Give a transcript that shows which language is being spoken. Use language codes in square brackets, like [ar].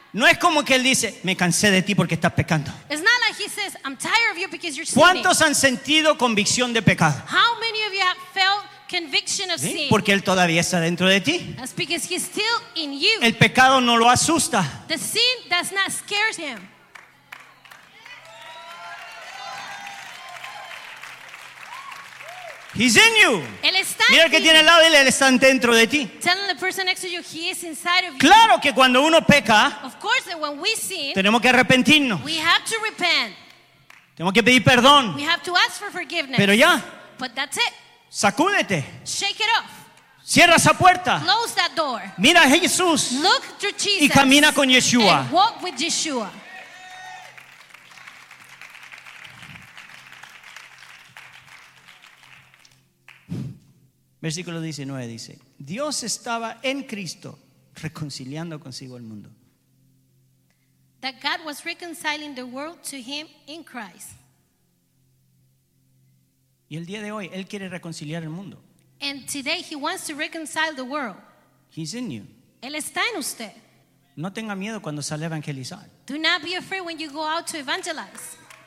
[es] no es como que él dice, me cansé de ti porque estás pecando. [en] It's not like he says, I'm tired of you because you're sinning. [es] ¿Cuántos han sentido convicción de pecado? [en] How many of you have felt conviction of sin? [es] Porque él todavía está dentro de ti. [en] That's because he's still in you. [es] El pecado no lo asusta. [en] The sin does not scare him. He's in you. [es] Él está. Mira el que tiene al lado, él está dentro de ti. [en] Telling the person next to you, he is inside of you. [es] Claro que cuando uno peca, [en] of course that when we sin, [es] tenemos que arrepentirnos. [en] We have to repent. [es] Tenemos que pedir perdón. [en] We have to ask for forgiveness. [es] Pero ya. [en] But that's it. [es] Sacúdete. [en] Shake it off. [es] Cierra esa puerta. [en] Close that door. [es] Mira a Jesús. [en] Look to Jesus. [es] Y camina con Yeshua. [en] And walk with Yeshua. [es] Versículo 19 dice, Dios estaba en Cristo reconciliando consigo el mundo. [en] That God was reconciling the world to him in Christ. [es] Y el día de hoy, él quiere reconciliar el mundo. [en] And today he wants to reconcile the world. He's in you. [es] Él está en usted. No tenga miedo cuando sale a evangelizar. [en] Do not be afraid when you go out to evangelize.